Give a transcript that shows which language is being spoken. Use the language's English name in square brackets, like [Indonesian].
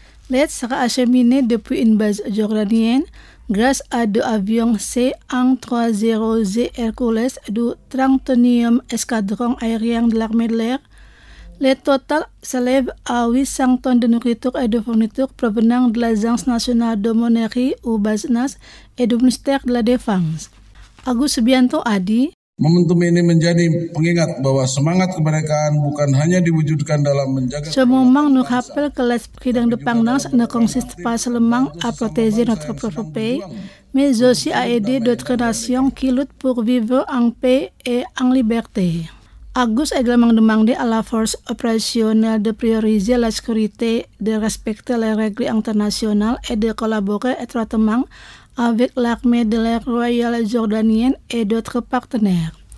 [French] L'aide sera acheminée depuis une base jordanienne grâce à deux avions C-130Z Hercules du 39e escadron aérien de l'armée de l'air. L'aide totale s'élève à 800 tonnes de nourriture et de fournitures provenant de l'Agence nationale d'aumônerie ou BASNAS et du ministère de la Défense. Agus Subianto a dit: [Indonesian] Momentum ini menjadi pengingat bahwa semangat kemerdekaan bukan hanya diwujudkan dalam menjaga. [French] Semangat nous rappelle que l'esprit d'indépendance ne consiste pas seulement à protéger notre propre pays, mais aussi à aider d'autres nations qui luttent pour vivre en paix et en liberté. Agus a également demandé à la force opérationnelle de prioriser la sécurité, de respecter les règles internationales et de collaborer étroitement avec l'armée de l'air royale jordanienne et d'autres partenaires.